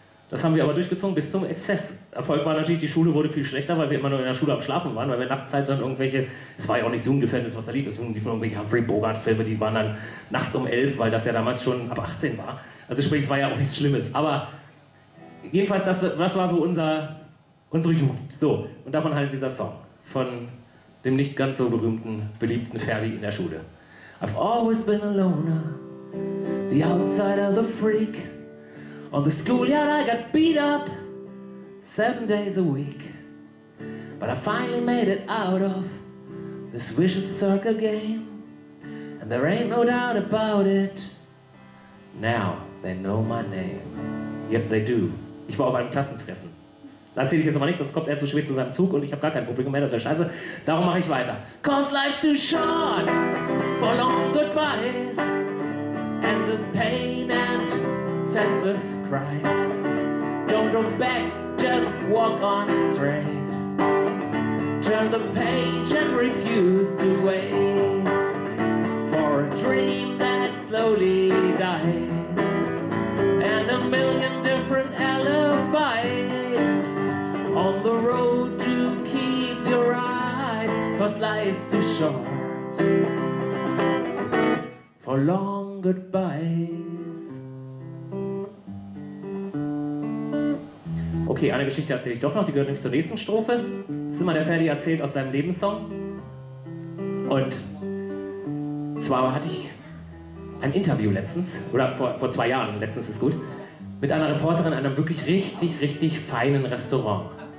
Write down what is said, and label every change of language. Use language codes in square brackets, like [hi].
[de] Das haben wir aber durchgezogen bis zum Exzess. Erfolg war natürlich, die Schule wurde viel schlechter, weil wir immer nur in der Schule am Schlafen waren, weil wir nachts halt dann irgendwelche, es war ja auch nicht so ungefährlich, was da lief, es waren die von irgendwelchen Humphrey Bogart-Filme, die waren dann nachts um 11, weil das ja damals schon ab 18 war. Also sprich, es war ja auch nichts Schlimmes, aber jedenfalls, das war so unsere Jugend. So, und davon halt dieser Song von dem nicht ganz so berühmten, beliebten Ferdi in der Schule. [en] I've always been a loner, the outsider, the freak. On the schoolyard I got beat up 7 days a week. But I finally made it out of this vicious circle game. And there ain't no doubt about it. Now they know my name. Yes, they do. [de] Ich war auf einem Klassentreffen. Da erzähle ich jetzt aber nicht, sonst kommt er zu spät zu seinem Zug und ich habe gar kein Publikum mehr, das wäre scheiße. Darum mache ich weiter. [en] Cause life's too short for long goodbyes, endless pain and senseless cries. Don't look back, just walk on straight. Turn the page and refuse to wait for a dream that slowly dies and a million different alibis. On the road to keep your eyes, cause life's too short for long goodbyes. [de] Okay, eine Geschichte erzähle ich doch noch, die gehört nämlich zur nächsten Strophe. Das ist immer der Ferdi erzählt aus seinem Lebenssong. Und zwar hatte ich ein Interview letztens, oder vor 2 Jahren, letztens ist gut, mit einer Reporterin in einem wirklich richtig, richtig feinen Restaurant.